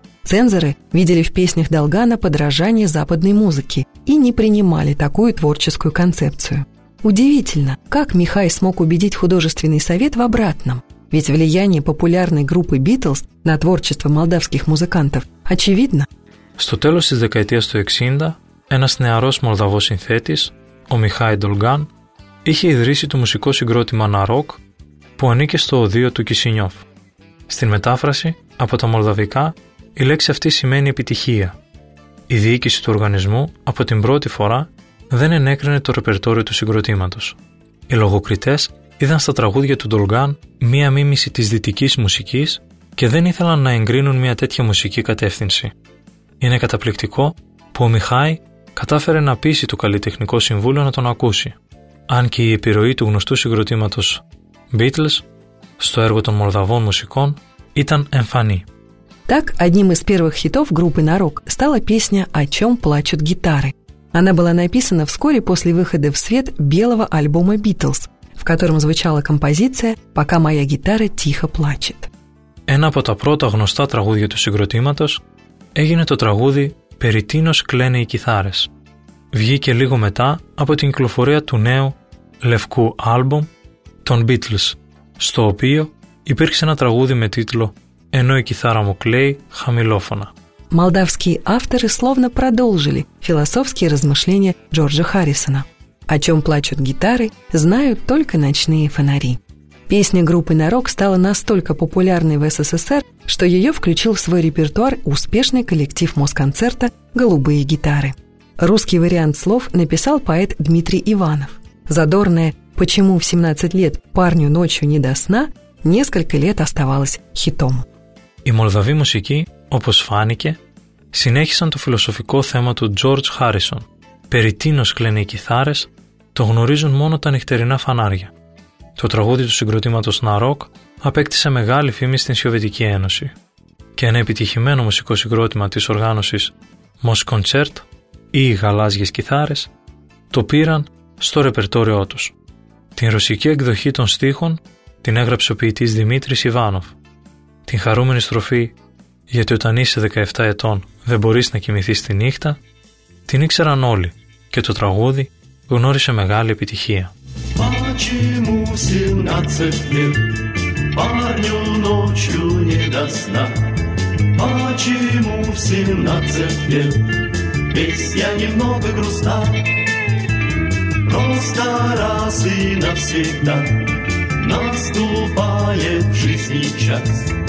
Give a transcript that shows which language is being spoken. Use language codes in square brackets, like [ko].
[ru] Цензоры видели в песнях Долгана подражание западной музыке и не принимали такую творческую концепцию. Удивительно, как Михай смог убедить художественный совет в обратном. Ведь влияние популярной группы «Битлз» на творчество молдавских музыкантов очевидно. [el] Στο τέλος της δεκαετίας του 60, ένας νεαρός μολδαβός συνθέτης, ο Μιχάη Ντολγκάν, είχε ιδρύσει το μουσικό συγκρότημα «Ναρόκ», που ανήκε στο οδείο του Κισινιόφ. Στην μετάφραση, από τα μολδαβικά, η λέξη αυτή σημαίνει επιτυχία. Η διοίκηση του οργανισμού, από την πρώτη φορά, δεν ενέκρινε το ρεπερτόριο του συγκροτήματος. Οι λογοκριτές είδαν στα τραγούδια του Ντολγκάν μία μίμηση της δυτικής μουσικής και δεν ήθελαν να εγκρίνουν μία τέτοια μουσική κατεύθυνση. Είναι καταπληκτικό που ο Μιχάη κατάφερε να πείσει το καλλιτεχνικό συμβούλιο να τον ακούσει, αν και η επιρροή του γνωστού συγκροτήματος Beatles στο έργο των Μολδαβών μουσικών ήταν εμφανή. [ru] Так, одним из первых хитов группы «Нарок» стала песня «О чем плачут гитары». Она была написана вскоре после выхода в свет белого альбома «Beatles», в котором звучала композиция «Пока моя гитара тихо плачет». [el] Ένα από τα πρώτα γνωστά τραγούδια του συγκροτήματος έγινε το τραγούδι «Περι τίνος κλαίνε οι κιθάρες». Βγήκε λίγο μετά από την κυκλοφορία του νέου λευκού άλμπουμ των Beatles, στο οποίο υπήρξε ένα τραγούδι με τίτλο «Ενώ η κιθάρα μου κλαίει χαμηλόφωνα». [ru] Молдавские авторы словно продолжили философские размышления Джорджа Харрисона. О чем плачут гитары, знают только ночные фонари. Песня группы «Нарок» стала настолько популярной в СССР, что ее включил в свой репертуар успешный коллектив Москонцерта «Голубые гитары». Русский вариант слов написал поэт Дмитрий Иванов. Задорная «Почему в 17 лет парню ночью не до сна» несколько лет оставалась хитом. И молдавские музыки, [el] όπως φάνηκε, συνέχισαν το φιλοσοφικό θέμα του George Harrison. «Περι τίνος κλαίνε οι κιθάρες» το γνωρίζουν μόνο τα νυχτερινά φανάρια. Το τραγούδι του συγκροτήματος «Ναρόκ» απέκτησε μεγάλη φήμη στην Σοβιετική Ένωση και ένα επιτυχημένο μουσικό συγκρότημα της οργάνωσης «Μοσκοντσέρτ» ή «Οι γαλάζιες κιθάρες» το πήραν στο ρεπερτόριό τους. Την ρωσική εκδοχή των στίχων την έγραψε ο ποιητής Δημήτρης Ιβάνοφ. Την χαρούμενη στροφή «Γιατί όταν είσαι 17 ετών δεν μπορείς να κοιμηθείς τη νύχτα» την ήξεραν όλοι και το τραγούδι γνώρισε μεγάλη επιτυχία. [ru] Почему в 17 лет парню ночью не до сна? Почему в 17 лет весь я немного грустна? Просто раз и навсегда наступает в жизни час.